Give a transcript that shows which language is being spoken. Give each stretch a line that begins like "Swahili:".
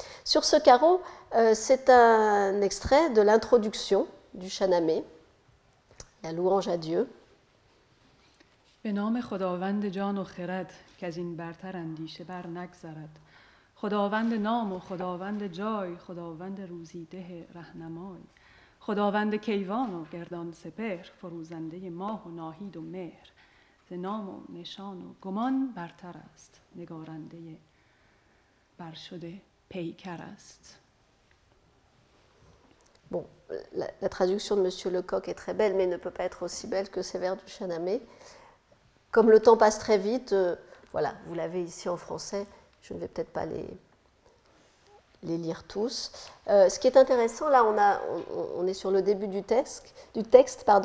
French: Sur ce carreau, c'est un extrait de l'introduction du Shahnameh, la louange à Dieu.
Persian: به نام خداوند جان و خرد که از این برتر اندیشه بر نگذرد خداوند نام و خداوند جای خداوند روزی ده رهنمای خداوند کیوان و گردان سپهر فروزنده ماه و ناهید و مهر ز نام و نشان و گمان برتر است نگارنده برشده پیکر است.
French: Bon, la traduction de Monsieur Lecoq est très belle, mais ne peut pas être aussi belle que ces vers du Chanamé. Comme le temps passe très vite, voilà, vous l'avez ici en français, je ne vais peut-être pas les lire tous. Ce qui est intéressant, là, on est sur le début du texte.